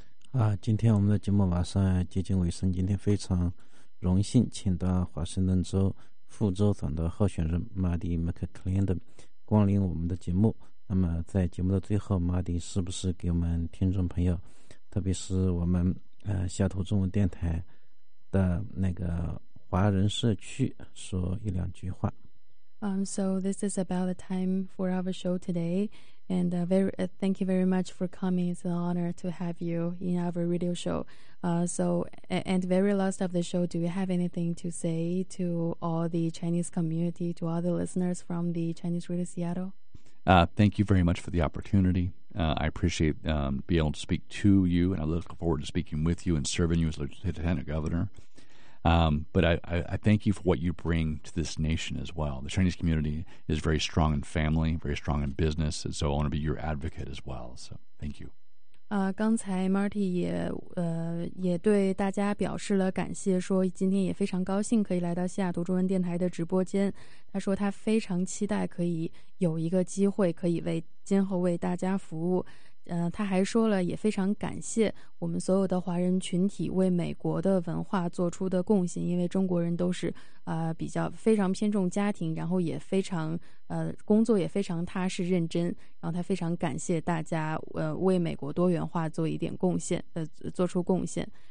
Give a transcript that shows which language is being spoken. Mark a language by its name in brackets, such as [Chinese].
[Chinese] 啊，今天我们的节目马上接近尾声，今天非常荣幸请到华盛顿州副州长的候选人马蒂·麦克克林光临我们的节目。那么在节目的最后，马蒂是不是给我们听众朋友，特别是我们西雅图中文电台的那个华人社区说一两句话？ [English] So this is about the time for our show today, and thank you very much for coming. It's an honor to have you in our radio show. And very last of the show, do you have anything to say to all the Chinese community, to all the listeners from the Chinese Radio Seattle? Thank you very much for the opportunity. I appreciate being able to speak to you, and I look forward to speaking with you and serving you as Lieutenant Governor. But I thank you for what you bring to this nation as well. The Chinese community is very strong in family, very strong in business, and so I want to be your advocate as well. So thank you. [Chinese] 刚才 Marty 也对大家表示了感谢，说今天也非常高兴可以来到西雅图中文电台的直播间。他说他非常期待可以有一个机会可以今后为大家服务。他还说了也非常感谢我们所有的华人群体为美国的文化做出的贡献，因为中国人都是比较非常偏重家庭，然后也非常工作也非常踏实认真，然后他非常感谢大家为美国多元化做一点贡献，做出贡献。